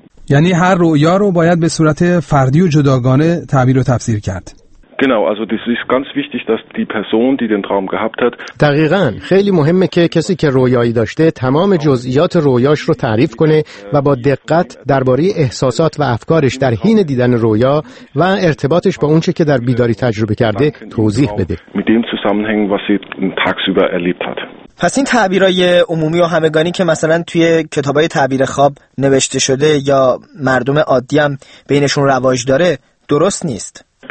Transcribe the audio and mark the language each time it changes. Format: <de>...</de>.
<fa>یعنی هر رویا رو باید به صورت فردی و جداگانه تعبیر و تفسیر کرد.</fa> <de>Genau, also das ist ganz wichtig, dass die Person, die den Traum gehabt hat.</de> <fa>دقیقاً، خیلی مهمه که کسی که رویایی داشته تمام جزئیات رویاش رو تعریف کنه و با دقت درباره احساسات و افکارش در حین دیدن رویا و ارتباطش با اون چه که در بیداری تجربه کرده توضیح بده.</fa> <de>Mit dem Zusammenhang, was sie tagsüber erlebt hat.</de> <fa>پس این تعبیرای عمومی و همگانی که مثلا توی کتابای تعبیر خواب نوشته شده یا مردم عادی هم بینشون رواج داره درست نیست.</fa>